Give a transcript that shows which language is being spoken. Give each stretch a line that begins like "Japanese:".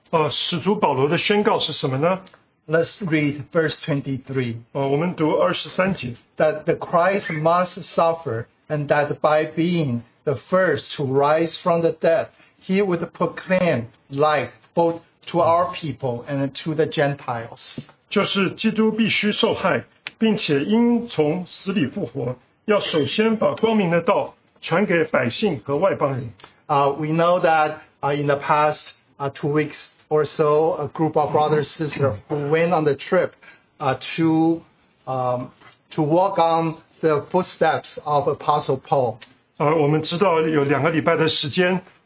Chinese: 使徒保罗的宣告是什么呢？
English: Let's read verse 23.
Chinese: 我们读23节。
English: That the Christ must suffer, and that by being the first to rise from the dead, He would proclaim life both to our people and to the Gentiles.
Chinese: 就是基督必须受害，并且应从死里复活，要首先把光明的道传给百姓和外邦人。
English: We know that in the past 2 weeks or so, a group of brothers and sisters who went on the trip to walk on the footsteps of Apostle Paul.
Chinese: 我们知道有两个礼拜的时间。